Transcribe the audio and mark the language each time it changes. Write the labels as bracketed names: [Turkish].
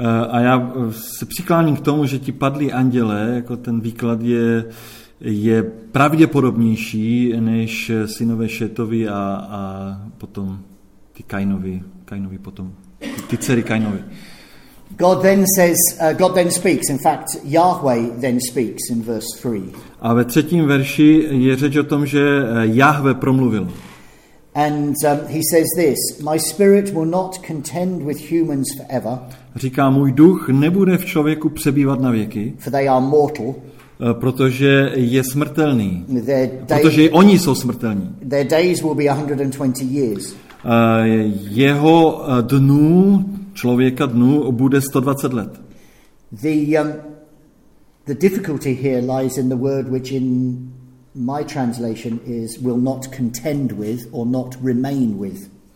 [Czech] A já se přikláním k tomu, že ti padlí andělé, jako ten výklad je pravděpodobnější než synové Šétovi a potom ty Kainovi potom ty dcery Kainovi. [English] God then says, God then speaks. In fact, Yahweh then speaks in verse 3. [Czech] A ve třetím verši je řeč o tom, že Jahve promluvil. [English] And he says this, my spirit will not contend with humans forever. [Czech] Říká, můj duch nebude v člověku přebývat na věky. [English] For they are mortal. [Czech] Protože je smrtelný. Protože oni jsou smrtelní. [English] Their days will be 120 years. [Czech] Jeho dnů, člověka dnů, bude 120 let. [English] The difficulty here lies in the word which in my translation is will not contend with or not remain with.